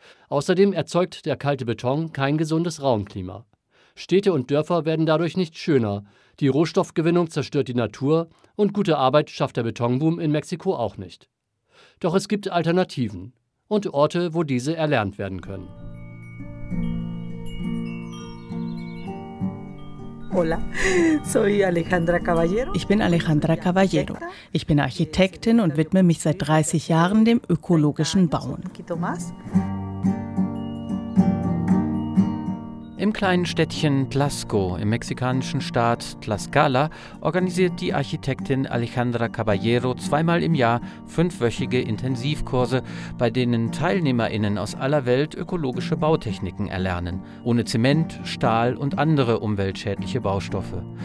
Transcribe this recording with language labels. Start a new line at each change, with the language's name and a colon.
German: Außerdem erzeugt der kalte Beton kein gesundes Raumklima. Städte und Dörfer werden dadurch nicht schöner, die Rohstoffgewinnung zerstört die Natur und gute Arbeit schafft der Betonboom in Mexiko auch nicht. Doch es gibt Alternativen und Orte, wo diese erlernt werden können.
Spanish: Hola, soy Alejandra Caballero.
German: Ich bin Alejandra Caballero. Ich bin Architektin und widme mich seit 30 Jahren dem ökologischen Bauen. Im kleinen Städtchen Tlaxco im mexikanischen Staat Tlaxcala organisiert die Architektin Alejandra Caballero 2-mal im Jahr 5-wöchige Intensivkurse, bei denen TeilnehmerInnen aus aller Welt ökologische Bautechniken erlernen, ohne Zement, Stahl und andere umweltschädliche Baustoffe.